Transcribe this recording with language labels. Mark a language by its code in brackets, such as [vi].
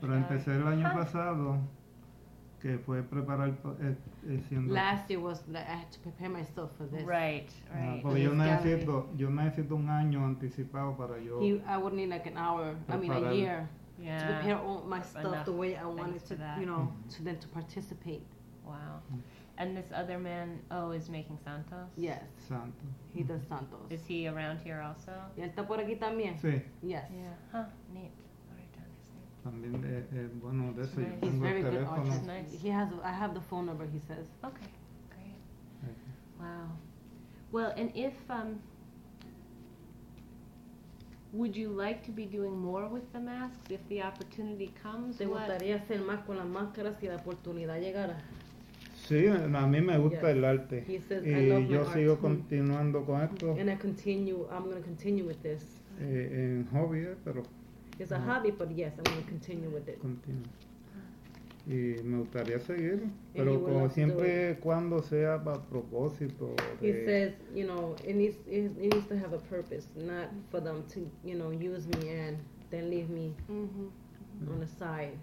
[es] Pero empecé el año pasado, que fue preparar siendo. [en] Last year was I had to prepare myself for this. Right. [es] Porque yo necesito un año anticipado para yo. [en] I would need like an hour. A year. Yeah. To prepare all my stuff the way I wanted to, you know, to then to participate. Wow. And this other man, is making Santos? Yes. Santos. He does Santos. Is he around here also? [es] ¿Y está por aquí también? Sí. [en] Yes. Yeah. Huh, neat. I'll write down his name. [es] También, bueno, de eso yo tengo el teléfono. [en] He's very good artist. Nice. I have the phone number, he says. Okay, great. Wow. Well, and if, would you like to be doing more with the masks if the opportunity comes? [es] ¿Te gustaría hacer más con las máscaras si la oportunidad llegara? Sí, a mí me gusta el arte. [en] Says, [es] y yo sigo continuando con esto. [en] And I'm going to continue with this. [es] En hobby, pero... [en] It's a hobby, but yes, I'm going to continue with it. Continue. [es] Y me gustaría seguir, pero como siempre, cuando sea para propósito. [en] He says, you know, it needs to have a purpose, not for them to, you know, use me and then leave me on the side.